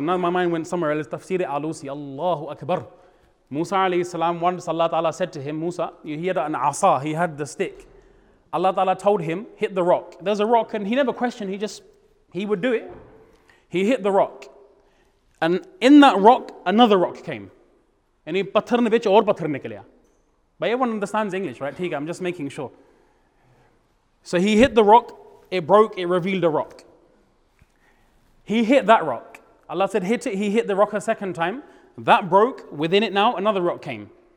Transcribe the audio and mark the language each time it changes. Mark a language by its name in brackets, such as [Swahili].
[English] Now my mind went somewhere else. Tafsir al-Alusi. Allahu Akbar. Musa alayhi salam, once Allah Ta'ala said to him, Musa, he had an asa, he had the stick. Allah Ta'ala told him, hit the rock. There's a rock, and he never questioned, he would do it. He hit the rock. And in that rock, another rock came. And he [Punjabi] ਪੱਥਰ ਵਿੱਚ ਔਰ ਪੱਥਰ ਨਿਕਲਯਾ. [English] But everyone understands English, right? I'm just making sure. So he hit the rock, it broke, it revealed a rock. He hit that rock. Allah said, hit it. He hit the rock a second time. That broke. Within it now, another rock came.